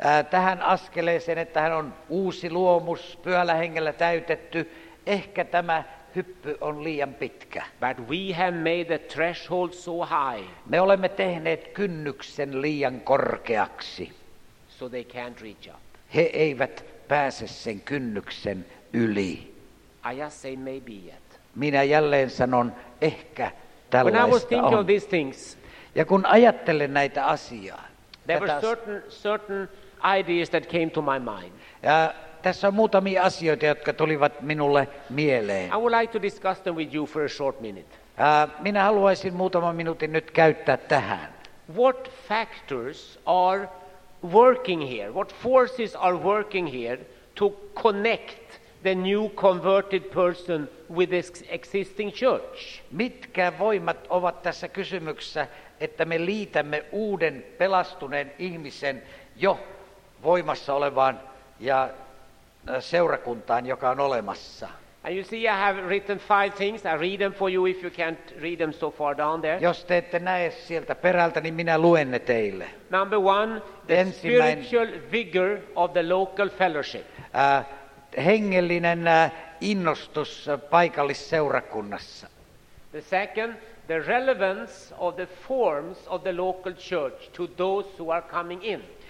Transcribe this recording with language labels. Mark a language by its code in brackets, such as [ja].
[fi] Tähän askeleeseen, että hän on uusi luomus, Pyhällä Hengellä täytetty, ehkä tämä hyppy on liian pitkä. [en] But we have made the threshold so high. [fi] Me olemme tehneet kynnyksen liian korkeaksi. [en] So they can't reach up. [fi] He eivät pääse sen kynnyksen yli. [en] I just say maybe yet. [fi] Minä jälleen sanon, ehkä tällaista [en] on. When I was thinking of these things, [fi] ja kun ajattelen näitä asiaa, [en] there were certain ideas that came to my mind. [fi] Ja tässä on muutamia asioita, jotka tulivat minulle mieleen. [en] I would like to discuss them with you for a short minute. [fi] Minä haluaisin muutaman minuutin nyt käyttää tähän. [en] What factors are working here? What forces are working here to connect the new converted person with this existing church? [fi] Mitkä voimat ovat tässä kysymyksessä, että me liitämme uuden pelastuneen ihmisen jo voimassa olevaan ja seurakuntaan, joka on olemassa. [en] And you see, I have written five things. I read them for you if you can't read them so far down there. [fi] Jos te ette näe sieltä perältä, niin minä luen ne teille. [en] Number one, the spiritual vigor of the local fellowship. [fi] Hengellinen innostus paikallisseurakunnassa. [en] The second, the relevance of the forms of the local church to those who are coming in.